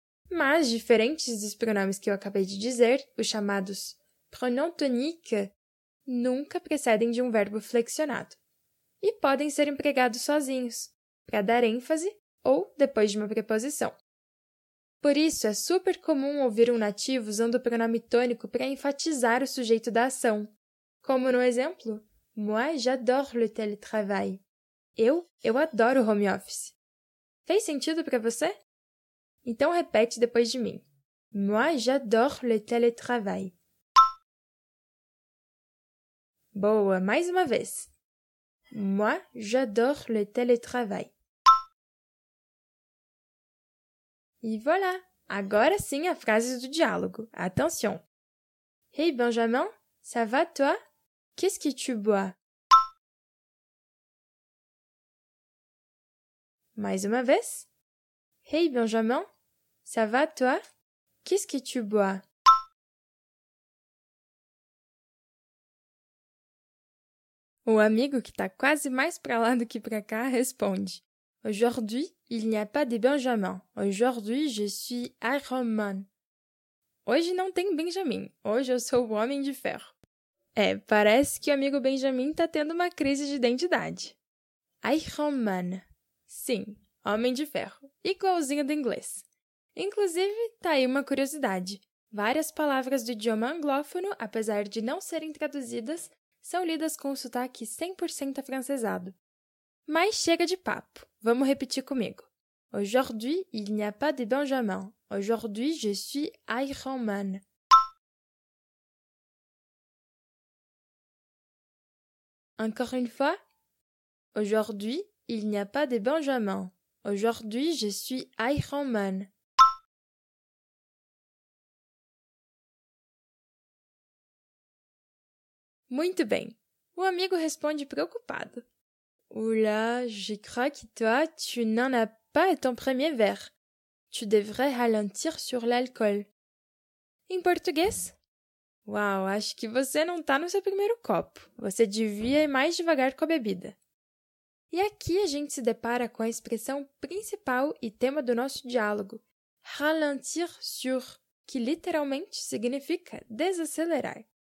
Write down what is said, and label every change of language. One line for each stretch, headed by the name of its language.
Portuguese: Mas, diferentes dos pronomes que eu acabei de dizer, os chamados pronoms toniques, nunca precedem de um verbo flexionado. E podem ser empregados sozinhos, para dar ênfase ou depois de uma preposição. Por isso, é super comum ouvir um nativo usando o pronome tônico para enfatizar o sujeito da ação. Como no exemplo,
French: moi j'adore le télétravail.
Portuguese: Eu adoro home office. Fez sentido para você? Então repete depois de mim.
French: Moi j'adore le télétravail.
Portuguese: Boa, mais uma vez.
French: Moi j'adore le télétravail.
Portuguese: E voilà! Agora sim a frase do diálogo. Attention!
French: Hey Benjamin, ça va toi? Qu'est-ce que tu bois?
Portuguese: Mais uma vez.
French: Hey Benjamin, ça va toi? Qu'est-ce que tu bois?
Portuguese: O amigo que está quase mais para lá do que para cá responde.
French: Aujourd'hui, il n'y a pas de Benjamin. Aujourd'hui, je suis Iron Man.
Portuguese: Hoje não tem Benjamin. Hoje eu sou o Homem de Ferro. É, parece que o amigo Benjamin está tendo uma crise de identidade. Iron Man. Sim, Homem de Ferro. Igualzinho do inglês. Inclusive, tá aí uma curiosidade. Várias palavras do idioma anglófono, apesar de não serem traduzidas, são lidas com o sotaque 100% afrancesado. Mas chega de papo. Vamos repetir comigo.
French: Aujourd'hui, il n'y a pas de Benjamin. Aujourd'hui, je suis Iron Man. Encore une fois. Aujourd'hui, il n'y a pas de Benjamin. Aujourd'hui, je suis Iron Man.
Portuguese: Muito bem. O amigo responde preocupado.
French: Oula, je crois que toi, tu n'en as pas ton premier verre. Tu devrais ralentir sur l'alcool.
Portuguese: Em português? Uau, acho que você não está no seu primeiro copo. Você devia ir mais devagar com a bebida. E aqui a gente se depara com a expressão principal e tema do nosso diálogo. Ralentir sur, que literalmente significa desacelerar.